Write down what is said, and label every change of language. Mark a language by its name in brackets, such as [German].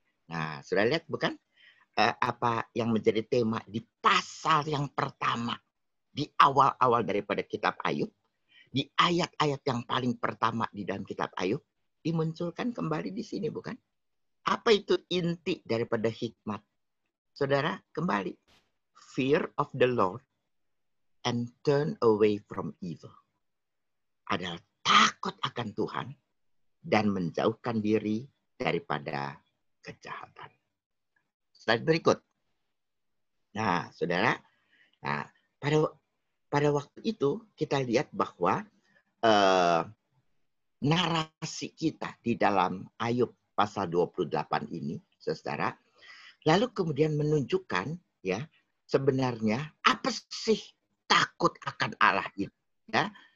[Indonesian] Nah, sudah lihat bukan? Apa yang menjadi tema di pasal yang pertama, di awal-awal daripada kitab Ayub, di ayat-ayat yang paling pertama di dalam kitab Ayub, dimunculkan kembali di sini, bukan? Apa itu inti daripada hikmat? Saudara, kembali. [English] Fear of the Lord and turn away from evil. [Indonesian] Adalah takut akan Tuhan dan menjauhkan diri daripada kejahatan. Slide berikut. Nah, saudara, nah, pada waktu itu kita lihat bahwa narasi kita di dalam Ayub pasal 28 ini, saudara, lalu kemudian menunjukkan, ya, sebenarnya apa sih takut akan Allah itu, ya.